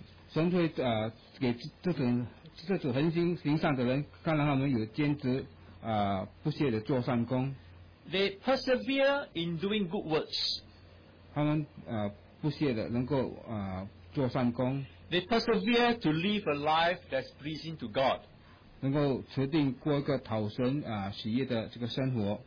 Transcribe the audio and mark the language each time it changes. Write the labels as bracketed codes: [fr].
[zh] 神会给这组恒心行善的人，看到他们有坚持不懈的做善功。 [en] They persevere in doing good works. [zh] 他们不懈的能够做善功。 [en] They persevere to live a life that's pleasing to God. [zh] 能够持定过一个讨神喜悦的这个生活。